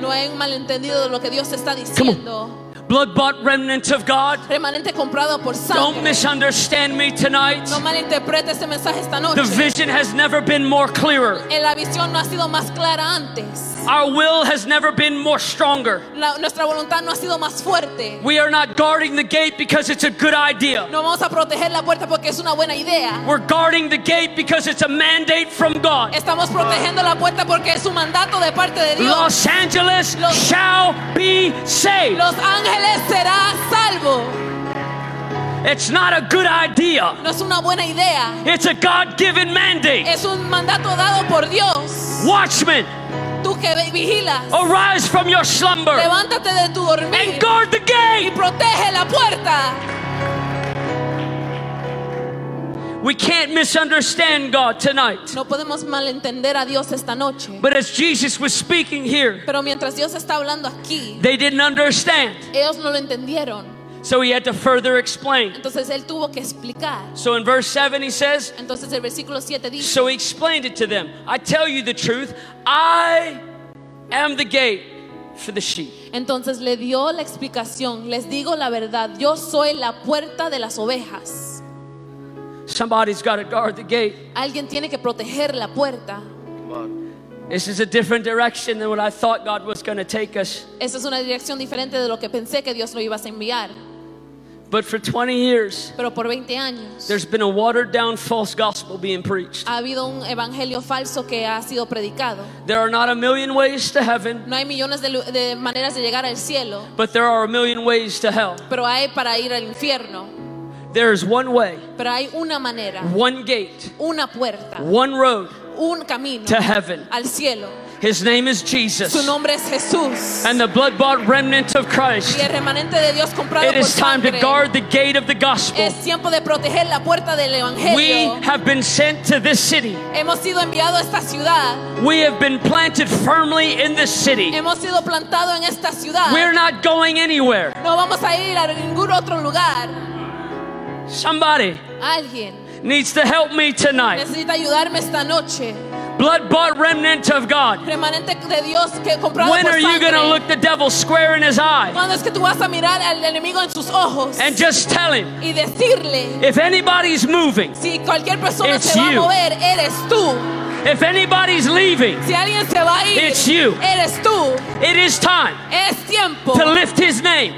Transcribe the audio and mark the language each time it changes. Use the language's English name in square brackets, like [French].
[Spanish] No hay un malentendido de lo que Dios está diciendo. [English] Blood-bought remnant of God. [Spanish] Remanente comprado por sangre. [English] Don't misunderstand me tonight. [Spanish] No malinterprete este mensaje esta noche. [English] The vision has never been more clearer. [Spanish] La visión no ha sido más clara antes. [English] Our will has never been more stronger. [Spanish] Nuestra voluntad no ha sido más fuerte. [English] We are not guarding the gate because it's a good idea. [Spanish] No vamos a proteger la puerta porque es una buena idea. [English] We're guarding the gate because it's a mandate from God. [Spanish] Estamos protegiendo la puerta porque es un mandato de parte de Dios. [English] Los Angeles shall be saved. [Spanish] Los Ángeles será salvo. [English] It's not a good idea. [Spanish] No es una buena idea. [English] It's a God-given mandate. [Spanish] Es un mandato dado por Dios. [English] Watchmen. Arise from your slumber. [Spanish] Levántate de tu dormir. [English] And guard the gate. [Spanish] Y protege la puerta. [English] We can't misunderstand God tonight. [Spanish] No podemos malentender a Dios esta noche. [English] But as Jesus was speaking here, [Spanish] pero mientras Dios está hablando aquí, [English] they didn't understand. [Spanish] Ellos no lo entendieron. [English] So he had to further explain. [Spanish] Entonces él tuvo que explicar. [English] So in verse 7 he says, [Spanish] entonces el versículo 7 dice, [English] so he explained it to them. I tell you the truth, I am the gate for the sheep. [Spanish] Entonces le dio la explicación. Les digo la verdad, yo soy la puerta de las ovejas. [English] Somebody's got to guard the gate. [Spanish] Alguien tiene que proteger la puerta. [English] Come on. This is a different direction than what I thought God was going to take us. [Spanish] Esa es una dirección diferente de lo que pensé que Dios nos iba a enviar. [English] But for 20 years, [Spanish] pero por 20 años, [English] there's been a watered down false gospel being preached. [Spanish] Ha habido un evangelio falso que ha sido predicado. [English] There are not a million ways to heaven. [Spanish] No hay millones de maneras de llegar al cielo. [English] But there are a million ways to hell. [Spanish] Pero hay para ir al infierno. [English] There is one way. [Spanish] Pero hay una manera. [English] One gate. [Spanish] Una puerta. [English] One road. [Spanish] Un camino [English] to heaven. [Spanish] Al cielo. [English] His name is Jesus. [Spanish] Su nombre es Jesús. [English] And the blood-bought remnant of Christ. [Spanish] Y el remanente de Dios comprado [English] it [Spanish] por [English] is time [Spanish] sangre. [English] To guard the gate of the gospel. [Spanish] Es tiempo de proteger la puerta del evangelio. [English] We have been sent to this city. [Spanish] Hemos sido enviado a esta ciudad. [English] We have been planted firmly in this city. [Spanish] Hemos sido plantado en esta ciudad. [English] We're not going anywhere. [Spanish] No vamos a ir a ningún otro lugar. [English] Somebody. [Spanish] Alguien. [English] Needs to help me tonight. [Spanish] Necesita ayudarme esta noche. [English] Blood-bought remnant of God. [Spanish] Remanente de Dios que comprado por sangre. [English] When are you going to look the devil square in his eye? [Spanish] ¿Cuándo es que tú vas a mirar al enemigo en sus ojos? [English] And just tell him. [Spanish] Y decirle. [English] If anybody's moving. [Spanish] Si cualquier persona [English] it's [Spanish] se va [English] you. [Spanish] A mover, eres tú. [English] If anybody's leaving. [Spanish] Si alguien se va a ir. [English] It's you. [Spanish] Eres tú. [English] It is time. [Spanish] Es tiempo. [English] To lift his name.